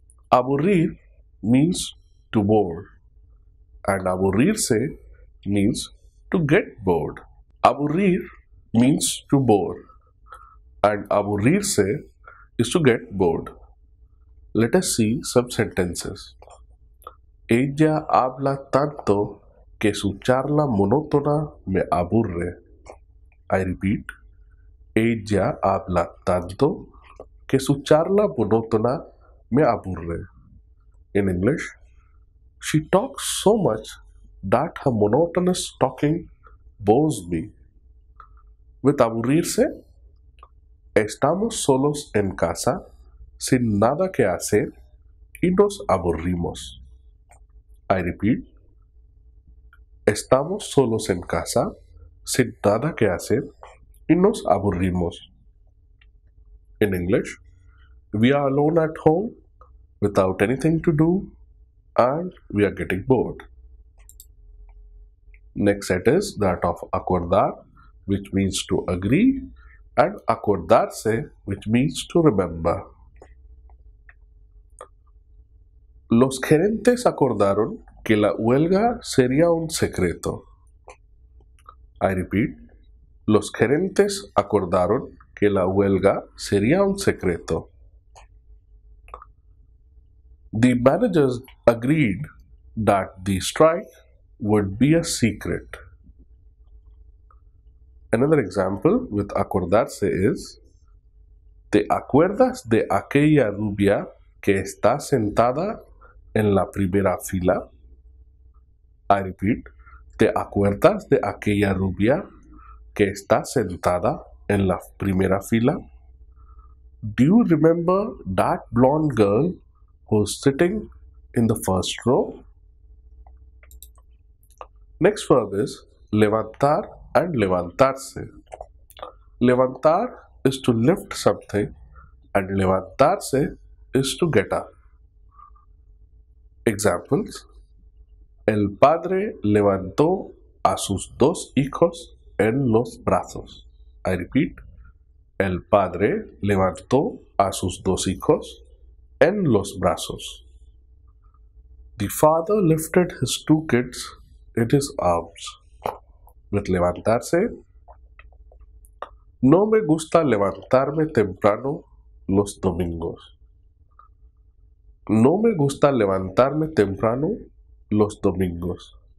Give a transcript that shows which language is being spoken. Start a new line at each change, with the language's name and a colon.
English: Aburrir means to bore, and aburrirse means to get bored. Aburrir means to bore, and aburrirse is to get bored. Let us see some sentences.
Spanish: Ella habla tanto que su charla monótona me aburre.
English: I repeat.
Spanish: Ella habla tanto que su charla monótona me aburre.
English: In English, she talks so much that her monotonous talking bores me.
Spanish: With aburrirse, estamos solos en casa, sin nada que hacer, y nos aburrimos.
English: I repeat.
Spanish: Estamos solos en casa, sin nada que hacer, y nos aburrimos.
English: In English, we are alone at home, without anything to do, and we are getting bored. Next set is that of acordar, which means to agree, and acordarse, which means to remember.
Spanish: Los gerentes acordaron que la huelga sería un secreto.
English: I repeat.
Spanish: Los gerentes acordaron que la huelga sería un secreto.
English: The managers agreed that the strike would be a secret. Another example with acordarse is,
Spanish: ¿te acuerdas de aquella rubia que está sentada en la primera fila?
English: I repeat,
Spanish: ¿te acuerdas de aquella rubia que está sentada en la primera fila?
English: Do you remember that blonde girl who's sitting in the first row? Next verb is levantar and levantarse. Levantar is to lift something and levantarse is to get up.
Spanish: Examples: el padre levantó a sus dos hijos en los brazos.
English: I repeat,
Spanish: el padre levantó a sus dos hijos en los brazos.
English: The father lifted his two kids in his arms.
Spanish: With levantarse, no me gusta levantarme temprano los domingos. No me gusta levantarme temprano los domingos.